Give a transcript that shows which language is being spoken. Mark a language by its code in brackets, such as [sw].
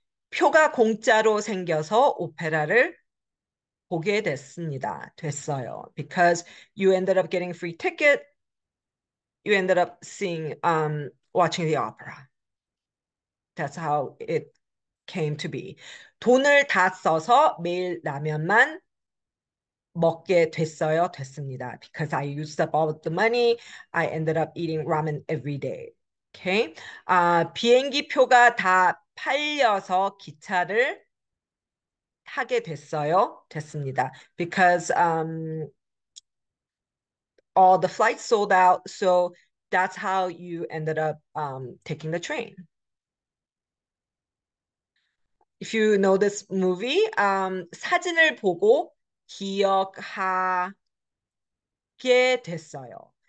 [ko] 표가 공짜로 생겨서 오페라를 보게 됐습니다. 됐어요. [en] Because you ended up getting a free ticket, you ended up seeing, watching the opera. That's how it came to be. [ko] 돈을 다 써서 매일 라면만 먹게 됐어요. 됐습니다. [en] Because I used up all of the money, I ended up eating ramen every day. Okay. [ko] 비행기 표가 다 팔려서 기차를 하게 됐어요. 됐습니다. [en] Because all the flights sold out, so that's how you ended up taking the train. If you know this movie, [ko] 사진을 보고 기억하게 됐어요.